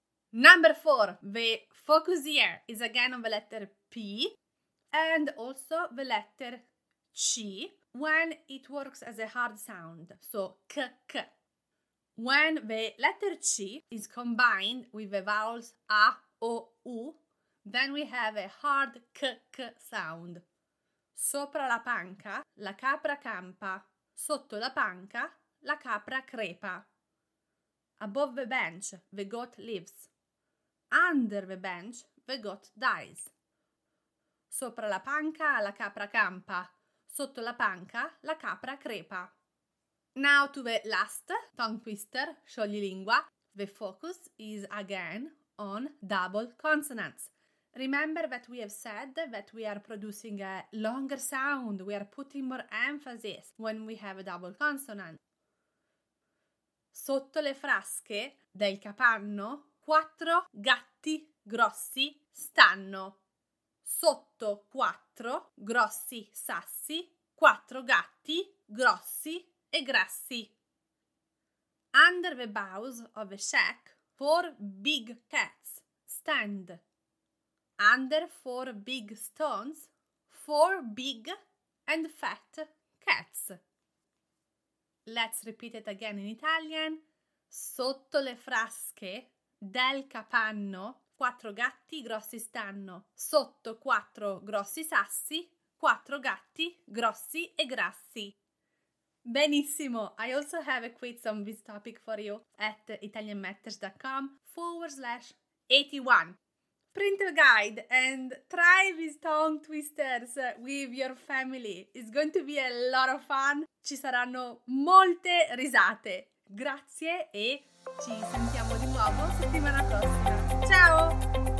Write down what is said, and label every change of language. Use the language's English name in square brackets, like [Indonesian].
[English] Number 4. The focus here is again on the letter P. And also the letter C when it works as a hard sound, so k k. When the letter C is combined with the vowels A, O, U, then we have a hard K, K sound. [Italian] Sopra la panca, la capra campa. Sotto la panca, la capra crepa. [English] Above the bench, the goat lives. Under the bench, the goat dies. [Italian] Sopra la panca, la capra campa. Sotto la panca, la capra crepa. [English] Now to the last tongue twister, scioglilingua. The focus is again on double consonants. Remember that we have said that we are producing a longer sound. We are putting more emphasis when we have a double consonant. [Italian] Sotto le frasche del capanno, quattro gatti grossi stanno. Sotto quattro grossi sassi, quattro gatti grossi e grassi. [English] Under the boughs of the shack, four big cats stand. Under four big stones, four big and fat cats. Let's repeat it again in Italian. [Italian] Sotto le frasche del capanno, quattro gatti grossi stanno. Sotto quattro grossi sassi, quattro gatti grossi e grassi. Benissimo! [English] I also have a quiz on this topic for you at italianmatters.com/81. Print a guide and try these tongue twisters with your family. It's going to be a lot of fun. [Italian] Ci saranno molte risate. Grazie e ci sentiamo di nuovo settimana prossima. Ciao!